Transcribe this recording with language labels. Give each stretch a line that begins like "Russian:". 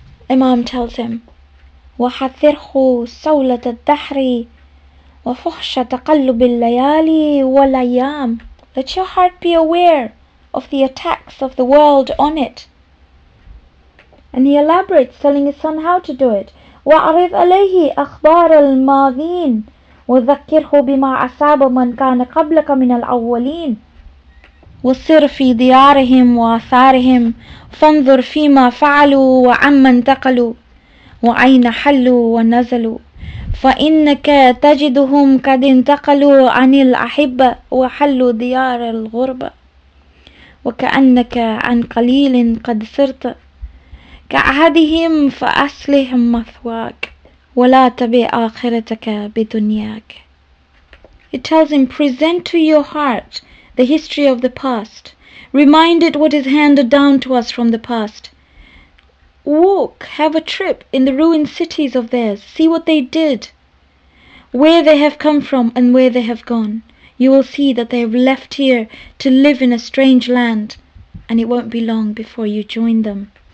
English: Imam tells him,
Arabic: وَحَذِّرْهُ سَوْلَةَ الدَّحْرِ وَفُحْشَ تَقَلُّبِ اللَّيَالِ وَالْأَيَّامِ,
English: let your heart be aware of the attacks of the world on it. And he elaborates, telling his son how to do it.
Arabic: وَعْرِضْ عَلَيْهِ أَخْبَارَ الْمَاذِينَ وَذَكِّرْهُ بِمَا أَصَابَ مَنْ كَانَ قَبْلَكَ مِنَ الْأَوَّلِينَ وَصِرْ فِي دِيَارِهِمْ وَآثَارِهِمْ فَانْظُرْ فِي مَا فَعَلُوا وَعَمَّا انْتَقَلُوا وَأَيْنَ حَلُّوا وَنَزَلُوا فَإِنَّكَ تَجِدُهُمْ قَدْ انْتَقَلُوا عَنِ الْأَحِبَّةِ وَحَلُّوا دِيَارَ الْغُرْبَةِ وَكَأَنَّكَ عَنْ قَلِيلٍ قَدْ صِرْتَ كَأَحَدِهِمْ فَأَصْلِحْ مَثْوَاكَ وَلَا تَبِعْ آخِرَتَكَ بِدُنْيَاكَ.
English: It tells him, present to your heart the history of the past. Remind it what is handed down to us from the past. Walk, have a trip in the ruined cities of theirs. See what they did, where they have come from and where they have gone. You will see that they have left here to live in a strange land, and it won't be long before you join them.